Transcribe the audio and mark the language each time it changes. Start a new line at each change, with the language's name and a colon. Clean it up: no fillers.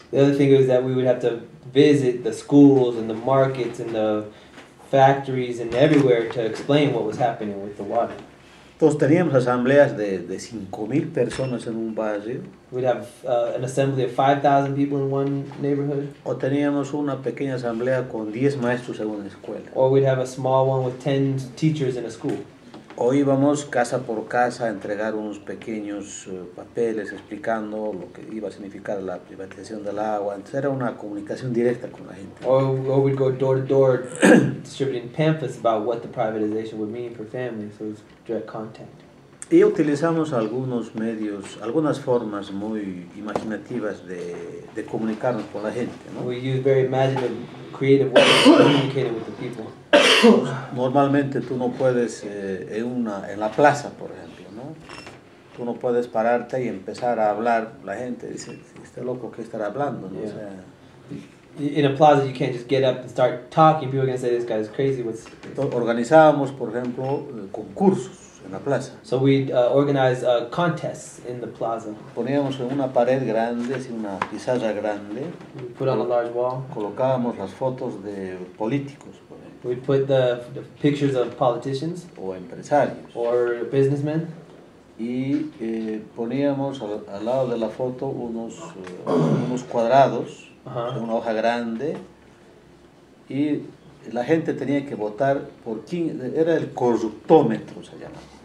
English: The other thing is that we would have to visit the schools and the markets and the factories and everywhere to explain what was happening with the water.
Spanish: Entonces teníamos asambleas de 5,000 personas en un barrio.
English: We'd have an assembly of 5,000 people in one neighborhood.
Spanish: O teníamos una pequeña asamblea con 10 maestros en una escuela.
English: Or we'd have a small one with 10 teachers in a school.
Spanish: O íbamos casa por casa a entregar unos pequeños papeles explicando lo que iba a significar la privatización del agua. Entonces era una comunicación directa con la gente.
English: Or we'd go door to door distributing pamphlets about what the privatization would mean for families. So it was direct contact.
Spanish: Y utilizamos algunos medios, algunas formas muy imaginativas de comunicarnos con la gente, ¿no?
English: We used very imaginative, creative ways of communicating with the people.
Spanish: Normalmente tú no puedes en la plaza, por ejemplo, ¿no? Tú no puedes pararte y empezar a hablar. La gente dice, este loco, ¿qué estará hablando? ¿No? Yeah. O sea,
English: in a plaza you can't just get up and start talking. People are going to say, this guy is crazy. What's
Spanish: organizábamos, por ejemplo, concursos en la plaza.
English: So we'd organize contests in the plaza.
Spanish: Poníamos en una pared grande, así una pizarra grande.
English: We put on a large wall.
Spanish: Colocábamos las fotos de políticos.
English: We put the pictures of politicians
Spanish: o empresarios
English: or businessmen
Spanish: y poníamos al lado de la foto unos cuadrados, uh-huh, una hoja grande, y la gente tenía que votar por quién era el corruptómetro, se llamaba.